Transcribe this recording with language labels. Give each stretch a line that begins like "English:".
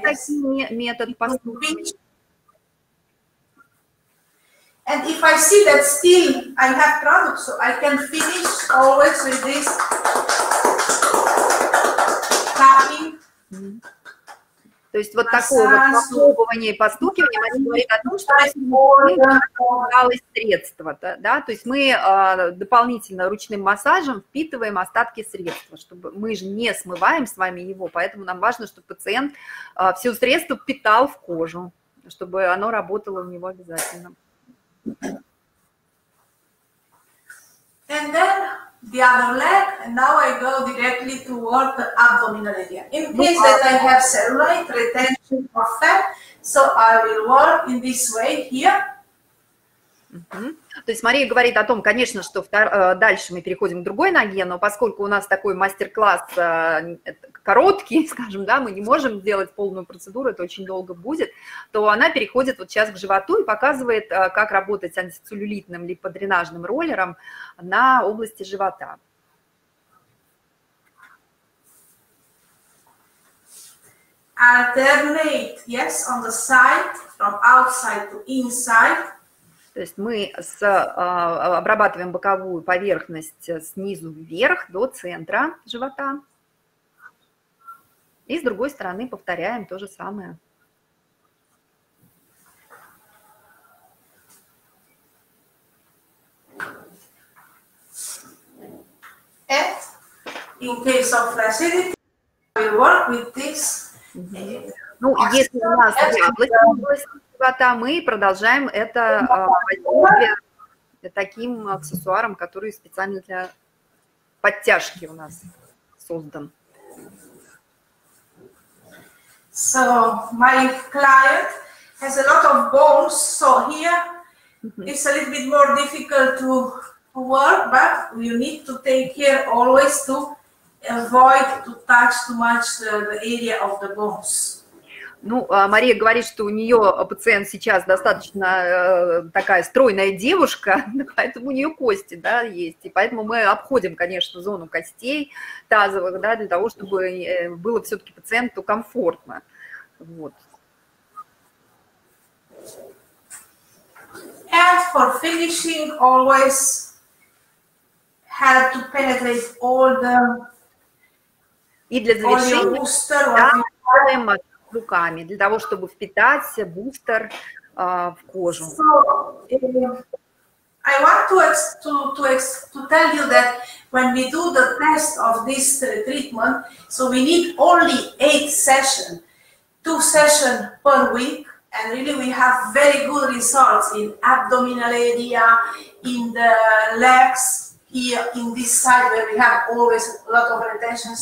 Russian: такие методы послушаем.
English: And if I see that still I have product, so I can finish always with this tapping.
Russian: То есть вот такое вот похлопывание и постукивание говорит о том, что мы впитали средство, да, то есть мы дополнительно ручным массажем впитываем остатки средства, чтобы мы же не смываем с вами его, поэтому нам важно, чтобы пациент все средство впитал в кожу, чтобы оно работало у него обязательно.
English: And then the other leg, and now I go directly toward the abdominal area. In case that I have cellulite retention of fat, so I will work in this way here.
Russian: То есть Мария говорит о том, конечно, что дальше мы переходим к другой ноге, но поскольку у нас такой мастер-класс короткий, скажем, да, мы не можем сделать полную процедуру, это очень долго будет, то она переходит вот сейчас к животу и показывает, как работать антицеллюлитным липодренажным роллером на области живота.
English: Alternate, yes, on the side, from outside to inside.
Russian: То есть мы обрабатываем боковую поверхность снизу вверх до центра живота. И с другой стороны повторяем то же самое.
English: And in case of flaccidity, we work with this.
Russian: Ну, если у нас область живота, мы продолжаем это таким аксессуаром, который специально для подтяжки у нас создан.
English: So my client has a lot of bones, so here it's a little bit more difficult to work, but you need to take care always to avoid to touch too much the area of the bones.
Russian: Ну, Мария говорит, что у нее пациент сейчас достаточно такая стройная девушка, поэтому у нее кости, да, есть. И поэтому мы обходим, конечно, зону костей тазовых, да, для того, чтобы было все-таки пациенту комфортно. Вот.
English: And for finishing, always have to penetrate all the...
Russian: И для завершения, booster, да, делаем массаж руками, для того, чтобы впитать бустер в кожу.
English: So, I want to tell you that when we do the test of this treatment, so we need only 8 sessions, 2 sessions per week, and really we have very good results in abdominal area, in the legs, here, in this side, where we have always a lot of retention.